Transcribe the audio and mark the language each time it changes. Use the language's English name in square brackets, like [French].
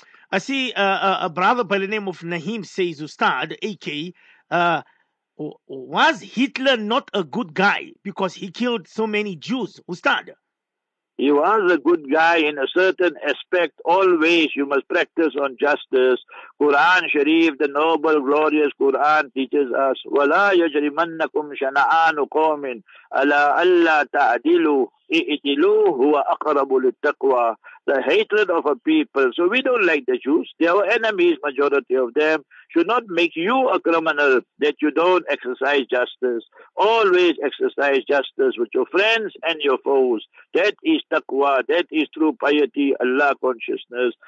[English] I see a brother by the name of Naheem says, Ustad, AK, was Hitler not a good guy because he killed so many Jews? Ustad? He was a good guy in a certain aspect. Always you must practice on justice. Quran Sharif, the noble, glorious Quran teaches us, [Arabic] وَلَا يَجْرِمَنَّكُمْ شَنَآنُ قَوْمٍ عَلَىٰ أَلَّا تَعْدِلُوا إِئِتِلُوهُ وَأَقْرَبُ لِلتَّقْوَىٰ. [English] The hatred of a people. So we don't like the Jews. They are our enemies, majority of them. Should not make you a criminal that you don't exercise justice. Always exercise justice with your friends and your foes. That is taqwa. That is true piety, Allah consciousness.